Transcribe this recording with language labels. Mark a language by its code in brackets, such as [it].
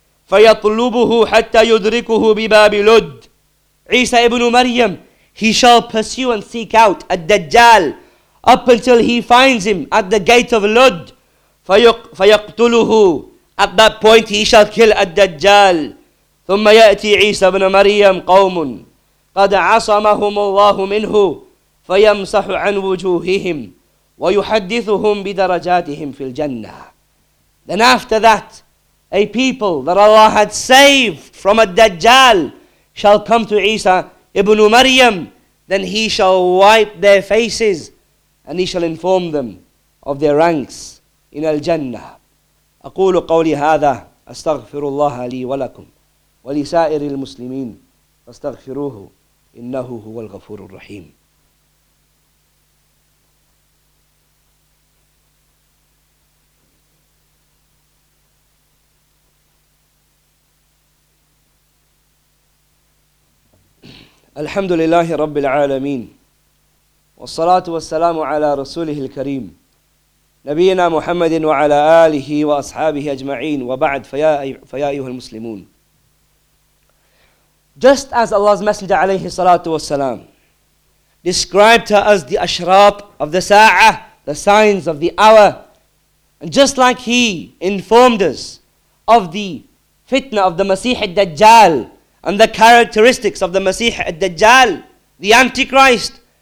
[ar] فَيَطْلُبُهُ حَتَّى يُدْرِكُهُ بِبَابِ لُدْ. [en] Isa ibn Maryam, he shall pursue and seek out الدجال up until he finds him at the gate of Lud. [ar] فَيَقْتُلُهُ. [en] At that point he shall kill الدجال. [ar] ثم يأتي عيسى بن مريم قوم قد عصمهم الله منه فيمسح عن وجوههم ويحدثهم بدرجاتهم في الجنة. [en] Then after that, a people that Allah had saved from الدجال shall come to Isa ibn Maryam. Then he shall wipe their faces and he shall inform them of their ranks in al-Jannah. [ar] أقول قولي هذا أستغفر الله لي ولكم ولسائر المسلمين فاستغفروه إنه هو الغفور الرحيم. الحمد لله رب العالمين والصلاة والسلام على رسوله الكريم نبينا محمد وعلى آله وأصحابه أجمعين وبعد فيا أيها المسلمون. [en] Just as Allah's Messenger [ar] عليه الصلاة والسلام [en] described to us the أشراط of the ساعة, the signs of the hour, and just like he informed us of the fitna of the Masih al-Dajjal and the characteristics of the Masih al-Dajjal, the Antichrist,